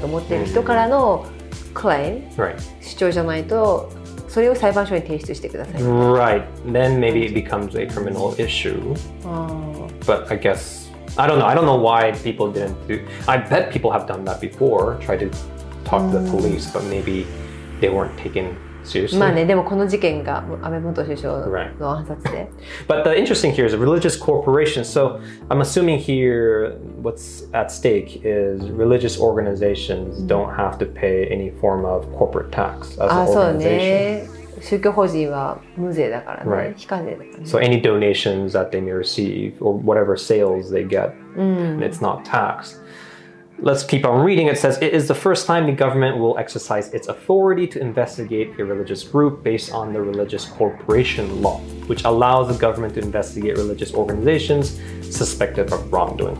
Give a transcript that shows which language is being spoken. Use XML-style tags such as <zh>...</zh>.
<ja>だから、私も調べたけど、そしたらやっぱり被害者だと思っている人からのクレーム、 主張じゃないと、それを裁判所に提出してください。</ja> <en>Right, then maybe it becomes a criminal issue. But I guess, I don't know, why people didn't do, I bet people have done that before, tried to talk to the police, but maybe they weren't taken</en> <ja>まあね、でもこの事件が安倍元首相の暗殺で。</ja> <en>But the interesting here is a religious corporation. So I'm assuming here what's at stake is religious organizations don't have to pay any form of corporate tax as an organization.</en> <ja>あ、そうね。宗教法人は無税だからね。非課税だからね。</ja> <en>So any donations that they may receive or whatever sales they get, it's not taxed. let's keep on reading. It says, it is the first time the government will exercise its authority to investigate a religious group based on the religious corporation law, which allows the government to investigate religious organizations suspected of wrongdoing.</en>